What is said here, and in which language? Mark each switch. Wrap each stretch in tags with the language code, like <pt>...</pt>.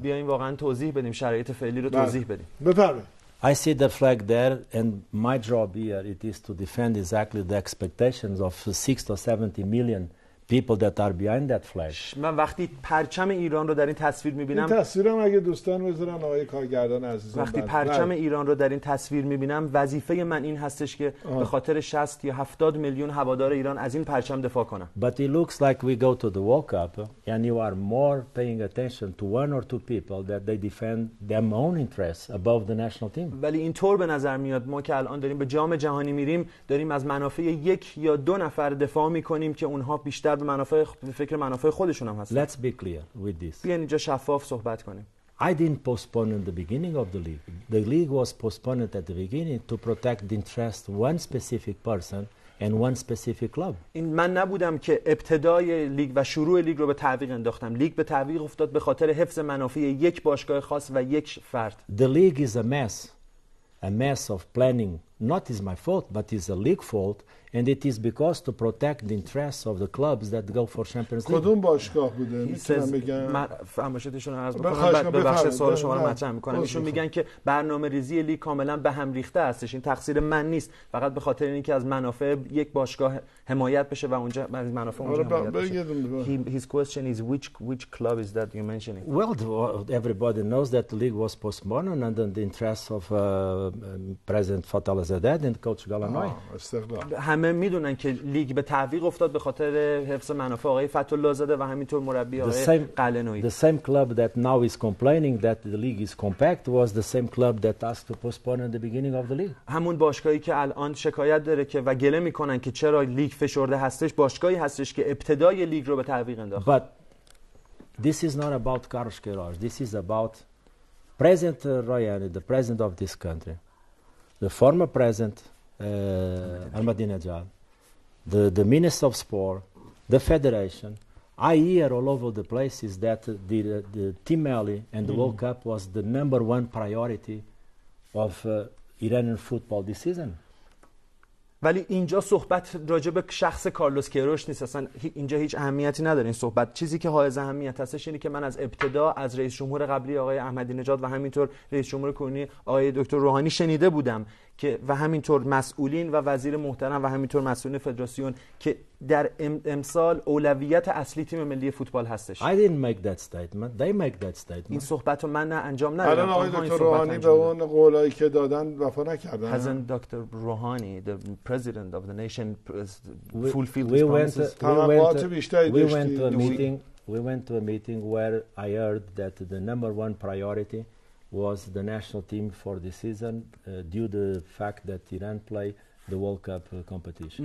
<fa>بیاین واقعا توضیح بدیم، شرایط فعلی رو توضیح بدیم. بفرمایید.</fa> <en>I see the flag there and my job here it is to defend exactly the expectations of 60 or 70 million people that are behind that flag.</en> <fa>من وقتی پرچم ایران رو در این تصویر می‌بینم، این تصویرم اگه دوستان بذارن آقای کارگردان عزیز، وقتی پرچم ایران رو در این تصویر می‌بینم، وظیفه من این هستش که به خاطر 60 یا 70 میلیون هوادار ایران از این پرچم دفاع کنم.</fa> <en>But it looks like we go to the World Cup and you are more paying attention to one or two people that they defend their own interests above the national team.</en> <fa>ولی اینطور به نظر میاد ما که الان داریم به جام جهانی میریم، داریم از منافع یک یا دو نفر دفاع می‌کنیم که اونها بیشتر در منافع فکر منافع خودشون هم هست.</fa> <en>Let's be clear with this.</en> <fa>بیاین اینجا شفاف صحبت کنیم.</fa> <en>I didn't postpone in the beginning of the league. The league was postponed at the beginning to protect the interest one specific person and one specific club.</en> <fa>این من نبودم که ابتدای لیگ و شروع لیگ رو به تعویق انداختم. لیگ به تعویق افتاد به خاطر حفظ منافع یک باشگاه خاص و یک فرد.</fa> <en>The league is a mess. A mess of planning, not is my fault, but is the league fault, and it is because to protect the interests of the clubs that go for Champions League.</en> <fa>کدوم باشگاه بوده؟ میتونم بگم. من فهمشتشون رو عرض بکنم بعد ببخشید سوال شما رو مطرح می‌کنم. ایشون میگن که برنامه‌ریزی لیگ کاملا به هم ریخته هستش. این تقصیر من نیست. فقط به خاطر اینکه از منافع یک باشگاه حمایت بشه و اونجا از منافع اونجا حمایت بشه.</fa> <en>His question is which club is that you're mentioning? Well, everybody knows that the league was postponed under the interests of President Fatal Azadeh and coach Galanoy.</en> <fa>همه میدونن که لیگ به تعویق افتاد به خاطر حفظ منافع آقای فتح‌الله زاده و همینطور مربی آقای قلعه‌نویی.</fa> <en>The same club that now is complaining that the league is compact was the same club that asked to postpone at the beginning of the league.</en> <fa>همون باشگاهی که الان شکایت داره که و گله میکنن که چرا لیگ فشرده هستش، باشگاهی هستش که ابتدای لیگ رو به تعویق انداخت.</fa> <en>But this is not about Carlos Queiroz. This is about President Royani, the president of this country, the former president. Ahmadinejad, the Minister of Sport, the Federation. I hear all over the places that the Team Ali and the World Cup was the number one priority of Iranian football this season.</en> <fa>ولی اینجا صحبت راجع به شخص کارلوس کیروش نیست، اصلا اینجا هیچ اهمیتی نداره این صحبت. چیزی که حائز اهمیت هستش اینه که من از ابتدا از رئیس جمهور قبلی آقای احمدی نژاد و همینطور رئیس جمهور کنونی آقای دکتر روحانی شنیده بودم که و همینطور مسئولین و وزیر محترم و همینطور مسئولین فدراسیون که در امسال اولویت اصلی تیم ملی فوتبال هستش.</fa> <en>I didn't make that statement. They make that statement.</en> <fa>این صحبت رو من انجام ندادم. الان آقای دکتر روحانی به اون قولایی که دادن وفا نکردن.</fa> <en>Hasn't Dr. Rouhani, the president of the nation, fulfilled his promises? We went to a meeting where I heard that the number one priority was the national team for this season due to the fact that Iran play the World Cup competition.</en>